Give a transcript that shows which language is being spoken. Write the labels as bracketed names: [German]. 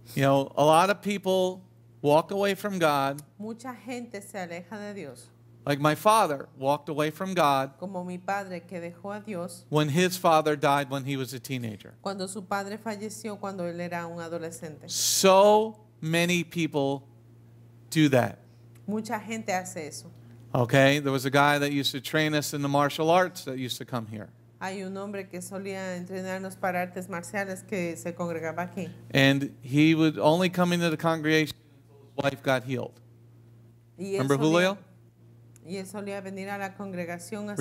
[English] You know, a lot of people walk away from God. [Spanish] Mucha gente se aleja de Dios. [English] Like my father walked away from God. [Spanish] Como mi padre que dejó a Dios. [English] When his father died when he was a teenager. [Spanish] Cuando su padre falleció cuando él era un adolescente. [English] So many people do that. [Spanish] Mucha gente hace eso. [English] Okay, there was a guy that used to train us in the martial arts that used to come here. [Spanish] Hay un hombre que solía entrenarnos para artes marciales que se congregaba aquí. [English] And he would only come into the congregation until his wife got healed. Remember Julio? [Spanish] Y él solía venir a la congregación hasta